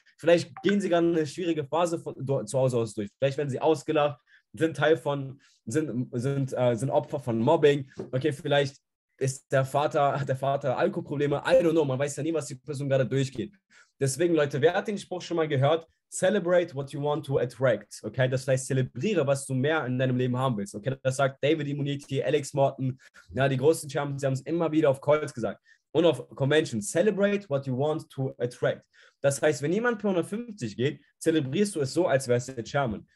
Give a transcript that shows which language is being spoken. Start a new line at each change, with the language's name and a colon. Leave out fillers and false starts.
German: Vielleicht gehen sie gerade eine schwierige Phase von zu Hause aus durch. Vielleicht werden sie ausgelacht. Sind Opfer von Mobbing. Okay, vielleicht ist der Vater Alkoholprobleme.
English: I don't know,
German: man weiß ja nie, was die Person gerade durchgeht. Deswegen, Leute, wer hat den Spruch schon mal gehört?
English: Celebrate what you want to attract.
German: Okay, das heißt, zelebriere, was du mehr in deinem Leben haben willst. Okay, das sagt David Immunity, Alex Morton. Ja, die großen Champions, sie haben es immer wieder auf Calls gesagt. Und auf Convention,
English: celebrate what you want to attract.
German: Das heißt, wenn jemand per 150 geht, zelebrierst du es so, als wärst du der Chairman.